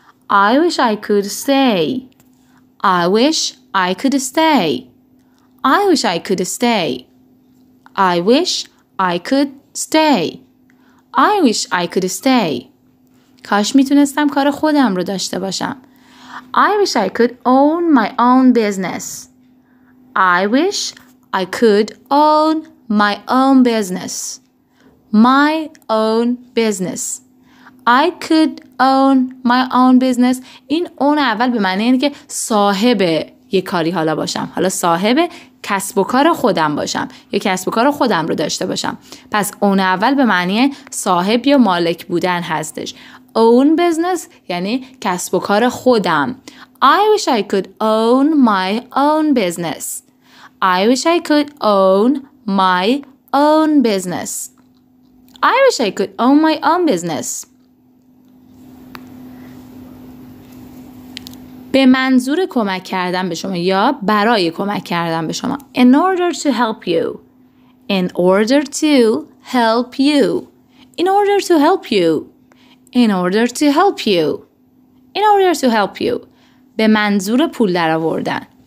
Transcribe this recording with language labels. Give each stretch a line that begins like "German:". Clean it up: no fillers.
English: I wish I could stay. I wish I could stay. I wish I could stay. I wish I could stay. I wish I could stay.
Persian: کاش میتونستم کار خودم رو داشته باشم.
English: I wish I could own my own business. I wish I could own my own business. My own business. I could own my own business.
Persian: این اون اول به معنی اینه که صاحب یه کاری حالا باشم. حالا صاحب کسب و کار خودم باشم. یه کسب و کار خودم رو داشته باشم. پس اون اول به معنی صاحب یا مالک بودن هستش.
English: Own business
Persian: یعنی کسب و کار خودم.
English: I wish I could own my own business. I wish I could own my own business. I wish I could own my own business.
Persian: به منظور کمک کردن به شما یا برای کمک کردن به شما.
English: In order to help you. In order to help you. In order to help you. In order to help you. In order to help you.
Persian: به منظور پول در آوردن.